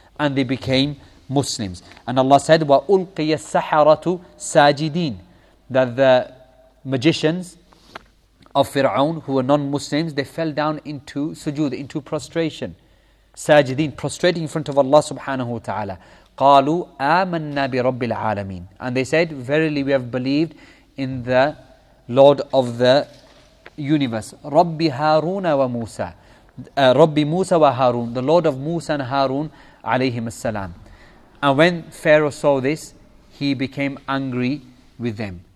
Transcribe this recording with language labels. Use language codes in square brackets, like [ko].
[en] And they became Muslims. And Allah said, [ar] وَأُلْقِيَ السَّحَرَةُ سَاجِدِينَ, [en] that the magicians of Fir'aun, who were non-Muslims, they fell down into sujood, into prostration. Sajideen, prostrating in front of Allah subhanahu wa ta'ala. [ar] قالوا آمنا برب العالمين. [en] And they said, verily we have believed in the Lord of the universe. [ar] ربي هارون وموسى. ربي موسى وهارون. [en] The Lord of Musa and Harun [ar] عليهم السلام. [en] And when Pharaoh saw this, he became angry with them.